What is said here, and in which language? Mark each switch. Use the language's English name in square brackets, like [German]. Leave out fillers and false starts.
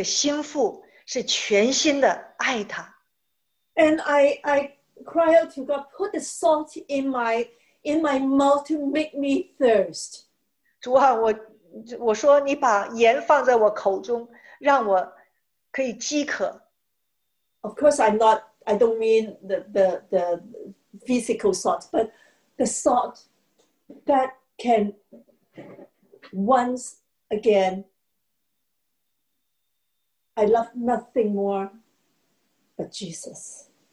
[Chinese] 我渴慕成为他所期待的那个心腹，是全心的爱他。 [English] And I cry out to God, put the salt in my mouth to make me thirst. [Chinese] 主啊，我说你把盐放在我口中，让我可以饥渴。 [English] Of course, I don't mean the physical salt, but the salt that can once again, I love nothing more but Jesus.